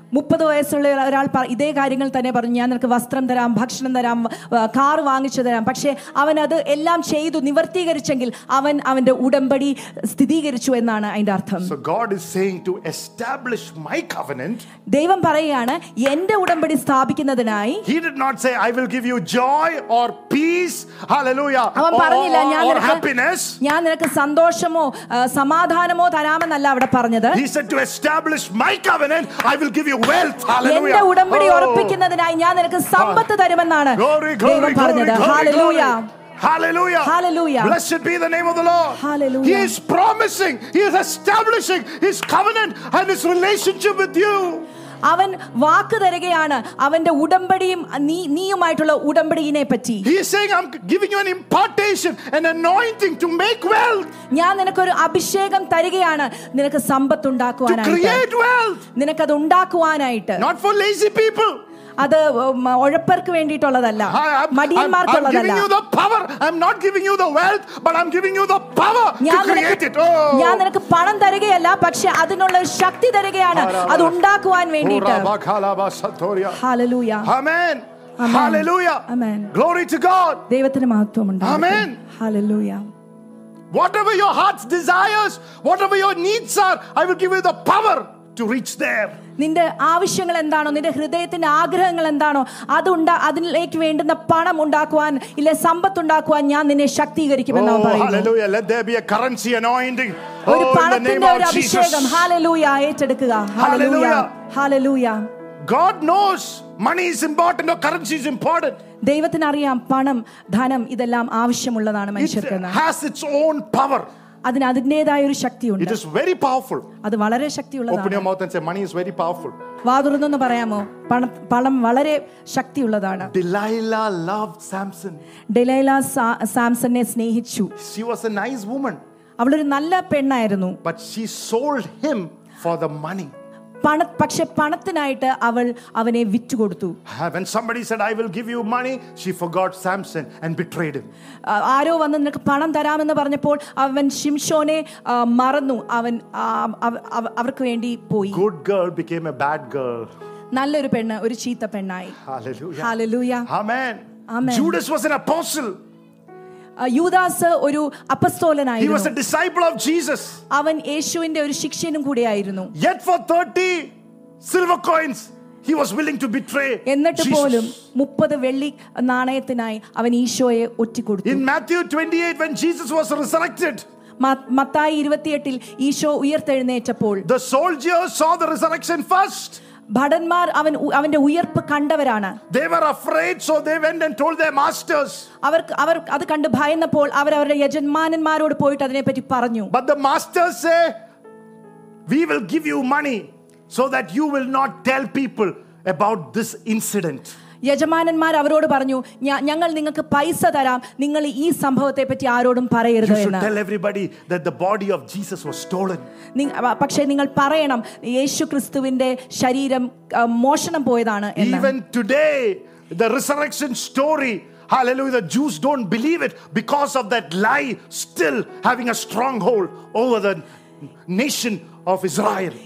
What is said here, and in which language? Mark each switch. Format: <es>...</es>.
<ml>30 വയസ്സുള്ള ഒരാൾ ഇതേ കാര്യങ്ങൾ തന്നെ പറഞ്ഞു, ഞാൻ നിനക്ക് വസ്ത്രം തരാം, ഭക്ഷണം തരാം, കാർ വാങ്ങിച്ചു തരാം. പക്ഷേ അവനത് എല്ലാം ചെയ്തു നിവർത്തീകരിച്ചെങ്കിൽ അവൻ അവന്റെ ഉടമ്പടി സ്ഥിരീകരിച്ചു എന്നാണ് അതിന്റെ അർത്ഥം.</ml> <en>So God is saying to establish my covenant.</en> <ml>ദൈവം പറയുകയാണ് എന്റെ ഉടമ്പടി സ്ഥാപിക്കുന്നതിനായി.</ml> <en>He did not say I will give you joy or peace. Hallelujah.</en> <ml>അവൻ പറഞ്ഞില്ല ഞാൻ നിനക്ക് സന്തോഷമോ സമാധാനമോ തരാമെന്നല്ല അവിടെ പറഞ്ഞത്.</ml> <en>He said to establish my covenant, I will give you wealth. Hallelujah.</en> <ml>എന്റെ ഉടമ്പടി ഉറപ്പിക്കുന്നതിനായി ഞാൻ നിനക്ക് സമ്പത്ത് തരുമെന്നാണ് ദൈവം പറഞ്ഞത്.</ml> <en>Hallelujah. Hallelujah. Hallelujah. Blessed be the name of the Lord. Hallelujah. He is promising, he is establishing his covenant and his relationship with you.</en> <ml>അവൻ വാക്ക് തരികയാണ് അവന്റെ ഉടമ്പടിയും നീയുമായിട്ടുള്ള ഉടമ്പടിയെ പറ്റി.</ml> <en>He is saying I'm giving you an impartation, an anointing to make wealth.</en> <ml>ഞാൻ നിനക്കൊരു അഭിഷേകം തരികയാണ് നിനക്ക് സമ്പത്ത് ഉണ്ടാക്കുവാനായിട്ട്.</ml> <en>To create wealth.</en> <ml>നിനക്ക് അത് ഉണ്ടാക്കുവാനായിട്ട്.</ml> <en>Not for lazy people.</en> <ml>അത് ഉഴപ്പർക്ക് വേണ്ടിയിട്ടുള്ളതല്ല, മടിയന്മാർക്കുള്ളതല്ല.</ml> <en>I'm giving you the power. I'm not giving you the wealth, but I'm giving you the power to create it. Oh.</en> <ml>ഞാൻ നിനക്ക് പണം തരികയല്ല, പക്ഷേ അതിനുള്ള ശക്തി തരികയാണ് അത് ഉണ്ടാക്കുവാൻ വേണ്ടിയിട്ട്.</ml> <en>Hallelujah. Amen. Hallelujah. Amen. Glory to God.</en> <ml>ദൈവത്തിന്റെ മഹത്വം ഉണ്ട്.</ml> <en>Amen. Hallelujah. Whatever your heart's desires, whatever your needs are, I will give you the power to reach there.</en> <ml>നിന്റെ ആവശ്യങ്ങൾ എന്താണോ, നിന്റെ ഹൃദയത്തിന്റെ ആഗ്രഹങ്ങൾ എന്താണോ, അതിലേക്ക് വേണ്ടുന്ന പണം ഉണ്ടാക്കുവാൻ ഇല്ല സമ്പത്ത് ഉണ്ടാക്കുവാൻ ഞാൻ നിന്നെ ശക്തീകരിക്കുമെന്ന് അവൻ പറയുന്നു.</ml> <en>Hallelujah. Let there be a currency anointing.</en> <ml>ഒരു പണത്തിന്റെ ഒരു അഭിഷേകം. Hallelujah. ഏറ്റെടുക്കുക.</ml> <en>Hallelujah. Hallelujah. God knows money is important or currency is important.</en> <ml>ദൈവത്തിന് അറിയാം പണം ധനം ഇതെല്ലാം ആവശ്യമുള്ളതാണ് മനുഷ്യർക്ക്.</ml> <en>It has its own power.</en> <ml>അതിന് അതിന്റേതായ ഒരു ശക്തിയുണ്ട്.</ml> <en>It is very powerful.</en> <ml>അത് വളരെ ശക്തിയുള്ളതാണ്.</ml> <en>Open your mouth and say, money is very powerful.</en> <ml>വാ തുറന്നൊന്ന് പറയാമോ, പണം വളരെ ശക്തിയുള്ളതാണ്.</ml> <en>Delilah loved Samson.</en> <ml>ഡെലൈലാ സാംസണിനെ സ്നേഹിച്ചു.</ml> <en>She was a nice woman.</en> <ml>അവളൊരു നല്ല പെണ്ണായിരുന്നു.</ml> <en>But she sold him for the money.</en> <ml>പക്ഷേ പണത്തിനായിട്ട് അവൾ അവനെ വിറ്റുകൊടുത്തു.</ml> <en>When somebody said I will give you money, she forgot Samson and betrayed him.</en> <ml>ആരോ വന്ന് നിനക്ക് പണം തരാമെന്ന് പറഞ്ഞപ്പോൾ അവൻ ശിംശോനെ മറന്നു, അവൻ അവർക്ക് വേണ്ടി പോയി.</ml> <en>Good girl became a bad girl.</en> <ml>നല്ലൊരു പെണ്ണ് ഒരു ചീത്ത പെണ്ണായി.</ml> <en>Hallelujah. Hallelujah. Amen. Amen. Judas was an apostle.</en> <ml>യൂദാസ് ഒരു അപ്പസ്തോലനായിരുന്നു.</ml> <en>He was a disciple of Jesus.</en> <ml>അവൻ യേശുവിന്റെ ഒരു ശിഷ്യനും കൂടിയായിരുന്നു.</ml> <en>Yet for 30 silver coins he was willing to betray.</en> <ml>എന്നിട്ട് പോലും 30 വെള്ളി നാണയത്തിനായി അവൻ ഈശോയെ ഒറ്റിക്കൊടുത്തു.</ml> <en>In Matthew 28 when Jesus was resurrected.</en> <ml>Mathai 28 ൽ Isho ഉയർത്തെഴുന്നേറ്റപ്പോൾ.</ml> <en>The soldiers saw the resurrection first.</en> <ml>ഭടന്മാർ അവന്റെ ഉയർപ്പ് കണ്ടവരാണ്.</ml> <en>They were afraid, so they went and told their masters.</en> <ml>അവർ അത് കണ്ട് ഭയന്നപ്പോൾ അവരുടെ യജമാനന്മാരോട് പോയിട്ട് അതിനെ പറ്റി പറഞ്ഞു.</ml> <en>But the masters say, we will give you money so that you will not tell people about this incident.</en> <ml>യജമാനന്മാർ അവരോട് പറഞ്ഞു, ഞങ്ങൾ നിങ്ങൾക്ക് പൈസ തരാം, നിങ്ങൾ ഈ സംഭവത്തെ പറ്റി ആരോടും പറയരുത് എന്ന്.</ml> <en>You should tell everybody that the body of Jesus was stolen.</en> <ml>പക്ഷേ നിങ്ങൾ പറയണം യേശുക്രിസ്തുവിന്റെ ശരീരം മോഷണം പോയതാണ് എന്ന്.</ml> <en>Even today the resurrection story, hallelujah, the Jews don't believe it because of that lie still having a stronghold over the nation of Israel.</en>